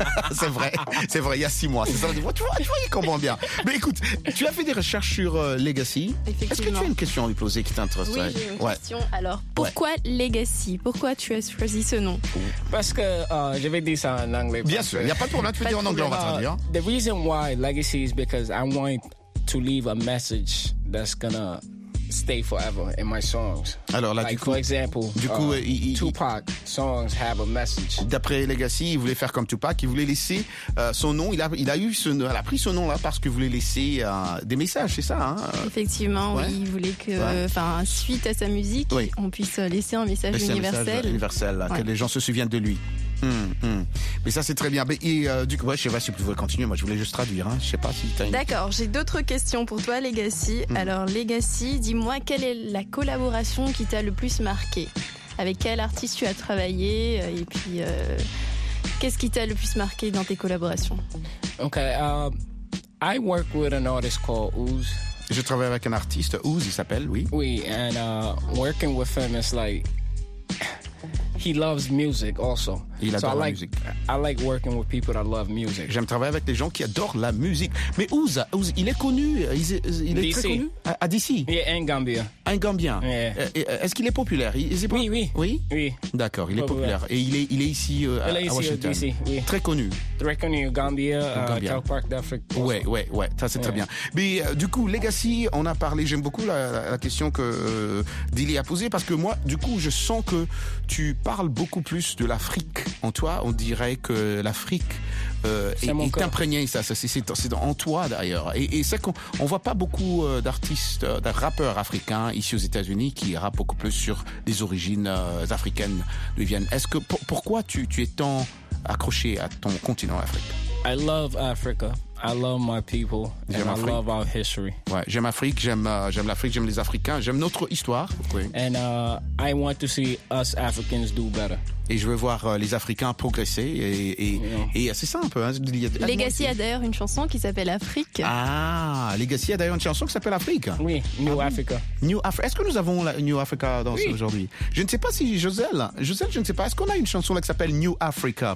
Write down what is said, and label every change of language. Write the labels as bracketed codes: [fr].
[fr] C'est vrai. C'est vrai, il y a 6 mois. C'est ça. Tu vois, comment bien. Mais écoute, tu as fait des recherches sur Legacy. Effectivement. Est-ce que tu as une question à lui poser qui t'intéresse? Oui, j'ai une question. Alors, pourquoi Legacy? Pourquoi tu as choisi ce nom? Parce que je vais dire ça en anglais. Bien sûr, il n'y a pas de problème. Tu peux dire en anglais, on va traduire. [en] The reason why Legacy is because I want to leave a message that's gonna stay forever in my songs. [fr] Alors là, [en] like, [fr] du coup, [en] for example, [fr] du coup, [en] Tupac songs have a message. [fr] D'après Legacy, il voulait faire comme Tupac, il voulait laisser son nom. Il a pris ce nom là parce qu'il voulait laisser des messages, c'est ça, hein? Effectivement, ouais. Oui, il voulait que, enfin, suite à sa musique, oui, on puisse laisser un message universel, ouais, que les gens se souviennent de lui. Mais ça, c'est très bien. Mais, du coup, ouais, je sais pas si vous pouvez continuer. Moi, je voulais juste traduire, hein. Je sais pas si t'as une... D'accord. J'ai d'autres questions pour toi, Legacy. Alors, Legacy, dis-moi, quelle est la collaboration qui t'a le plus marqué? Avec quel artiste tu as travaillé? Et puis, qu'est-ce qui t'a le plus marqué dans tes collaborations? [en] Ok. I work with an artist called Ooze. [fr] Je travaille avec un artiste, Ooze, il s'appelle, oui. Oui. [en] And, working with him is like, he loves music also. [fr] Il adore la musique. [en] I like working with people that love music. [fr] J'aime travailler avec des gens qui adorent la musique. Mais Ouz, il est connu. Il est DC. Très connu à DC. [en] Yeah, en Gambia. [fr] Un Gambien. [en] Yeah. [fr] Est-ce qu'il est populaire? Oui, oui. Oui? Oui. D'accord, il est populaire. Et il est ici à Washington. DC, oui. Très connu. Très connu, Gambia, South Park d'Afrique. Ouais, ouais, ouais. Ça, c'est très bien. Mais du coup, Legacy, on a parlé. J'aime beaucoup la question que Dilly a posée parce que moi, du coup, je sens que tu parles beaucoup plus de l'Afrique en toi. On dirait que l'Afrique est imprégnée. C'est en toi, d'ailleurs. Et c'est qu'on voit pas beaucoup d'artistes, de rappeurs africains ici aux États-Unis qui rappe beaucoup plus sur des origines africaines d'où ils viennent. Est-ce que pourquoi tu es tant accroché à ton continent Afrique? [en] I love Africa. I love my people. [fr] J'aime [en] and [fr] Afrique. [en] I love our history. [fr] Ouais, j'aime Afrique, j'aime l'Afrique, j'aime les Africains, j'aime notre histoire. Oui. [en] And I want to see us Africans do better. [fr] Et je veux voir les Africains progresser et c'est simple. Hein. Legacy a d'ailleurs une chanson qui s'appelle Afrique. Ah, Legacy a d'ailleurs une chanson qui s'appelle Afrique. Oui, New Africa. New Africa. Est-ce que nous avons la New Africa dans aujourd'hui? Je ne sais pas si Joselle, je ne sais pas. Est-ce qu'on a une chanson là qui s'appelle New Africa?